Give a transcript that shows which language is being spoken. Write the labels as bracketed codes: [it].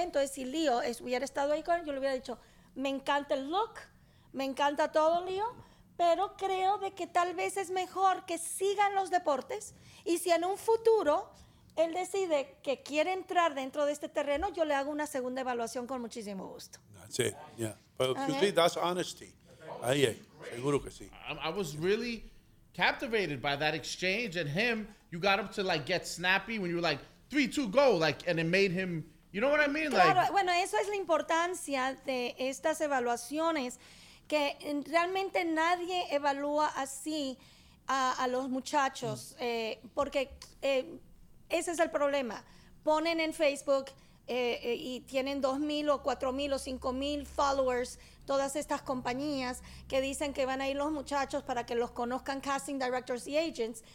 [es] Entonces, si Leo hubiera estado ahí con él, yo le hubiera dicho, me encanta el look, me encanta todo, Leo, pero creo de que tal vez es mejor que sigan los deportes y si en un futuro él decide que quiere entrar dentro de este terreno, yo le hago una segunda evaluación con muchísimo gusto. [en] That's it, yeah. But uh-huh. you see, that's honesty. [es] Ahí es, seguro que sí. [en] I was really captivated by that exchange and him. You got him to like get snappy when you were like, 3-2, go. Like, and it made him, you know what I mean? [es] Claro, [en] like, [es] bueno, eso es la importancia de estas evaluaciones, que realmente nadie evalúa así a los muchachos, porque... ese es el problema. Ponen en Facebook y tienen 2,000 o 4,000 o 5,000 followers, todas estas compañías que dicen que van a ir los muchachos para que los conozcan casting directors y agents.